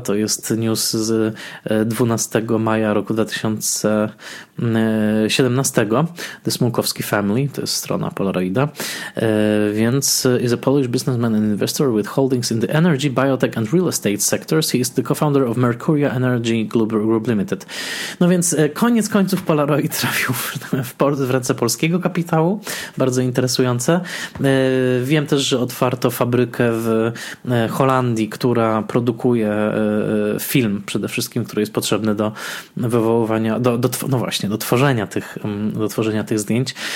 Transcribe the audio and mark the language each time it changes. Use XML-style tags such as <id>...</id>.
<pl>To jest news z 12 maja roku 2017. The Smołkowski Family, to jest strona Polaroida.</pl> <en>Więc is a Polish businessman and investor with holdings in the energy, biotech and real estate sectors. He is the co-founder of Mercuria Energy Group Limited.</en> <pl>No więc koniec końców Polaroid trafił w ręce polskiego kapitału. Bardzo interesujące. Wiem też, że otwarto fabrykę w Holandii, która produkuje film przede wszystkim, który jest potrzebny do wywoływania, do tworzenia tych zdjęć.</pl>